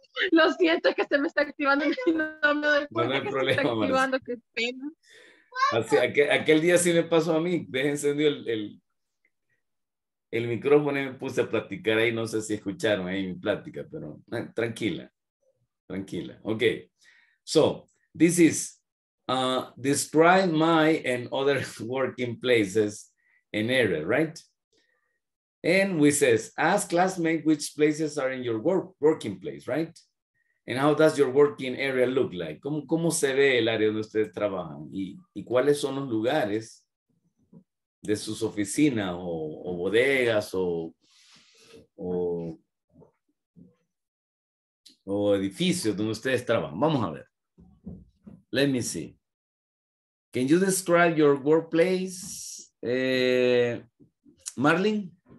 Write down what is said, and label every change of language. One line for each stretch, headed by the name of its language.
Spanish: Lo siento, es que se me está activando el síndrome del cuerpo. No hay problema, Marcelita. Así, aquel día sí me pasó a mí. Dejé encendido el micrófono y me puse a platicar ahí. No sé si escucharon ahí mi plática, pero tranquila.
English: Tranquila. Ok. So, this is. Describe my and other working places and area, right? And we says, ask classmates which places are in your working place, right? And how does your working area look like?
Spanish: ¿Cómo se ve el área donde ustedes trabajan? ¿Y cuáles son los lugares de sus oficinas o bodegas o edificios donde ustedes trabajan? Vamos a ver.
English: Let me see. Can you describe your workplace, Marlene?